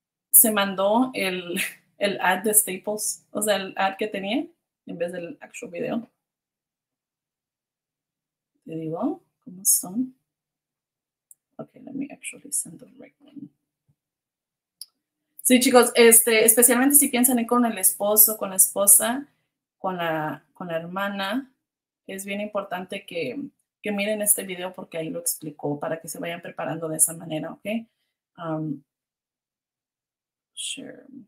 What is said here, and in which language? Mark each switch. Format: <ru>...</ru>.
<es>Se mandó el ad de Staples, o sea, el ad que tenía en vez del actual video. Te digo cómo son.</es> <en>Okay, let me actually send the right one.</en> <es>Sí, chicos, especialmente si piensan ir con el esposo, con la esposa, con la hermana, es bien importante que miren este video porque ahí lo explicó para que se vayan preparando de esa manera, ¿ok? Sure.</es>